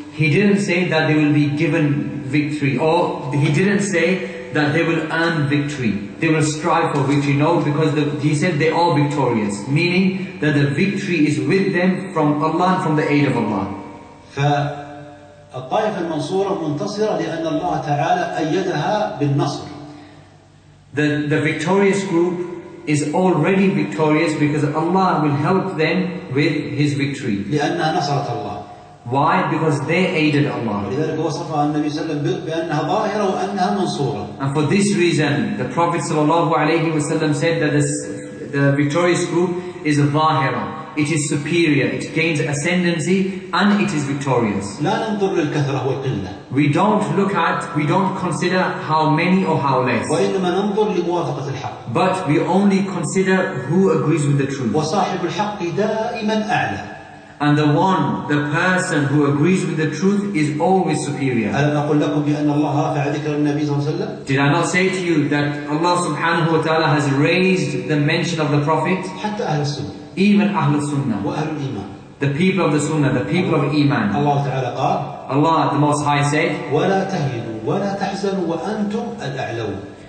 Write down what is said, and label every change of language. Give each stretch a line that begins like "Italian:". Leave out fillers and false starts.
English: He didn't say that they will be given victory, or he didn't say that they will earn victory. They will strive for victory. No, because he said they are victorious, meaning that the victory is with them from Allah and from the aid of Allah.
Arabic: فالطائفة المنصورة منتصرة لأن الله تعالى أيدها بالنصر.
English: The victorious group is already victorious because Allah will help them with His victory.
Arabic: لأنها نصرت الله.
English: Why? Because they aided Allah.
Arabic: ولذلك وصفها النبي صلى الله عليه وسلم بأنها ظاهرة وأنها منصورة.
English: And for this reason, the Prophet
Arabic: صلى الله عليه وسلم
English: said that the victorious group is ظاهرة. It is superior, it gains ascendancy, and it is victorious.
Arabic: لا ننظر للكثرة والقلة.
English: We don't consider how many or how less.
Arabic: وإنما ننظر لموافقة الحق.
English: But we only consider who agrees with the truth.
Arabic: وصاحب الحق دائما أعلى.
English: And the person who agrees with the truth is always superior.
Arabic: ألم أقول لكم بأن الله رفع ذكر النبي صلى الله عليه وسلم؟
English: Did I not say to you that Allah subhanahu wa ta'ala has raised the mention of the Prophet?
Arabic: حتى أهل السنة.
English: Even Ahl al-Sunnah, the people of the Sunnah, the people of Iman. Allah Ta'ala قال, Allah the Most High said,
Arabic: وَلَا تَهِنُوا وَلَا تَحْزَنُوا وَأَنْتُمْ الْأَعْلَوْنَ.